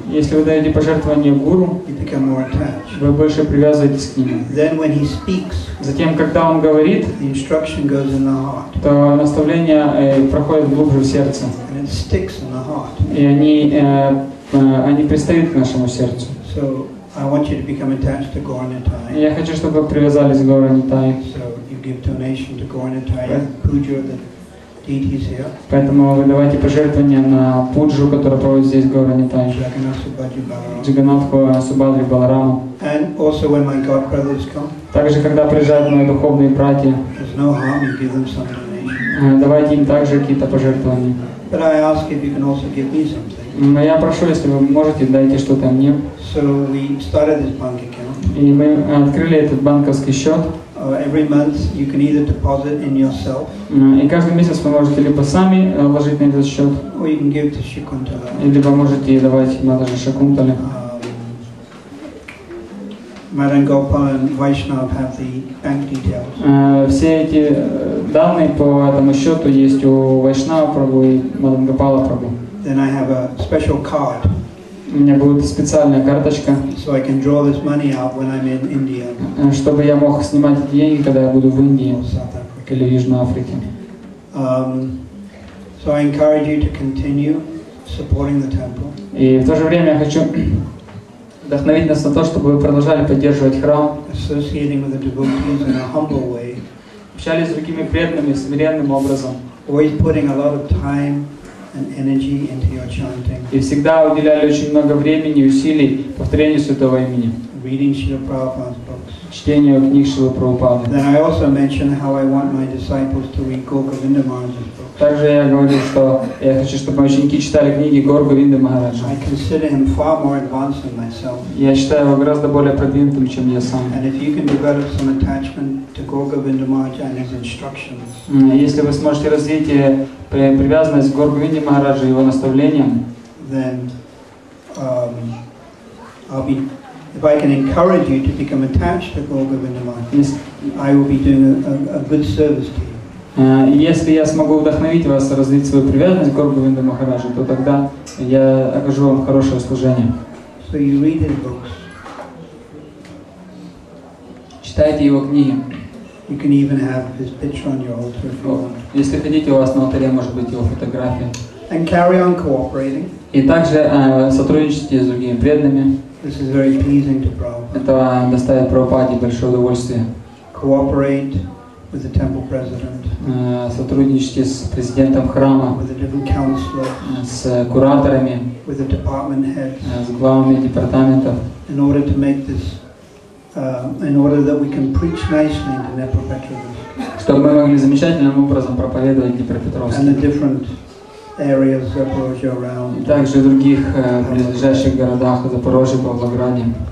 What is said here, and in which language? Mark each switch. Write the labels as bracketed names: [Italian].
[Russian] если вы даете пожертвование гуру, [English] you become more attached. [Russian] Вы больше привязываетесь к нему. [English] Then when he speaks, [Russian] затем, когда он говорит, [English] the instruction goes in the heart. [Russian] То наставление проходит глубже в сердце. [English] And it sticks in the heart. [Russian] И они пристают к нашему сердцу. [English] So, I want you to become attached to Gaur Nitai. [Russian] Я хочу, чтобы вы привязались к Гору Нитай. [English] So you give donation to Gaur Nitai, Puja, the deities here. [Russian] Поэтому вы давайте пожертвования на пуджу, которая проводит здесь Гаур Нитай. Джаганнатху Субхадри Баларам. [English] And also when my god brothers come. [Russian] Также когда приезжают мои духовные братья. [English] There's no harm in giving them some donation. [Russian] Давайте им также какие-то пожертвования. [English] But I ask if you can also give me something. [Russian] Но я прошу, если вы можете, дайте что-то мне. [English] So we started this bank account. [Russian] И мы открыли этот банковский счет. [English] Every month you can either deposit in yourself. [Russian] И каждый месяц вы можете либо сами вложить на этот счет. [English] Or you can give to Шакунтала. [Russian] И либо можете давать на даже Шакунтале. [English] Madan Gopal and Vaishnav have the bank details. [Russian] Все эти данные по этому счету есть у Вайшнава Прабху и Мадан Гопала Прабху. [English] Then I have a special card. [Russian] У меня будет специальная карточка. [English] So I can draw this money out when I'm in India. [Russian] Чтобы я мог снимать эти деньги, когда я буду в Индии или Южной Африке. [English] So I encourage you to continue supporting the temple. [Russian] И в то же время я хочу вдохновить нас на то, чтобы вы продолжали поддерживать храм. [English] Associating with the devotees in a humble way. [Russian] Общались с другими преданными смиренным образом. [English] Always putting a lot of time and energy into your chanting. [Russian] И всегда уделяли очень много времени и усилий повторению святого имени. [English] Reading Śrīla Prabhupāda's books. [Russian] Чтению книг Śrīla Prabhupāda. [English] Then I also mentioned how I want my disciples to read Govinda Maharaja's books. [Russian] Также я говорил, что я хочу, чтобы мои ученики читали книги Гор Говинда Махараджа. [English] I consider him far more advanced than myself. [Russian] Я считаю его гораздо более продвинутым, чем я сам. [English] And if you can develop some attachment to Gaur Govinda Maharaja and his instructions. [Russian] Если вы сможете развить привязанность к Гору Говинде Махараджу и его наставлениям, [English] then I'll be, if I can encourage you to become attached to Gaur Govinda Maharaja, I will be doing a good service to you. [Russian] Если я смогу вдохновить вас развить свою привязанность к Гору Говинде Махараджу, то тогда я окажу вам хорошее служение. [English] So you read his books. [Russian] Читайте его книги. [English] You can even have his picture on your altar if you want. [Russian] Если хотите, у вас на алтаре может быть его фотография. [English] And carry on cooperating. [Russian] И также сотрудничайте с другими преданными. [English] This is very pleasing to Prabhupada. [Russian] Это доставит Прабхупаде большое удовольствие. [English] Cooperate with the temple president. [Russian] Сотрудничайте с президентом храма. [English] With the different counselors. [Russian] С кураторами. [English] With the department heads. [Russian] С главами департаментов. [English] In order to make this in order that we can preach nicely in Dnipro Petrovsk. [Russian] Чтобы мы могли замечательным образом проповедовать Днепропетровск. [English] And the different areas of Zaporozhye around. [Russian] И также в других близлежащих городах, Запорожье, Павлограде.